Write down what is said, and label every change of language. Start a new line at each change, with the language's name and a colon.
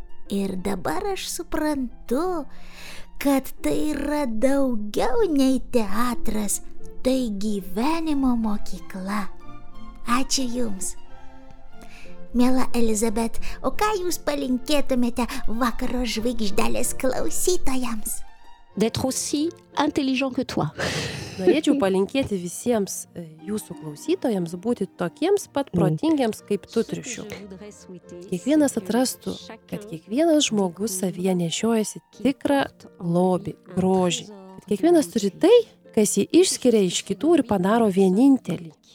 Lithuanian: Ir dabar aš suprantu, kad tai yra daugiau nei teatras, tai gyvenimo mokykla. Ačiū jums. Miela Elizabet, o ką jūs palinkėtumėte vakaro žvaigždelės klausytojams?
French: D'être aussi intelligent que toi.
Lithuanian: Norėčiau palinkėti visiems jūsų klausytojams būti tokiems pat protingiems kaip tu, triušiu. Kiekvienas atrastų, kad kiekvienas žmogus savyje nešiojasi tikrą lobį, grožį. Kad kiekvienas turi tai, kas jį išskiria iš kitų ir padaro vienintelį.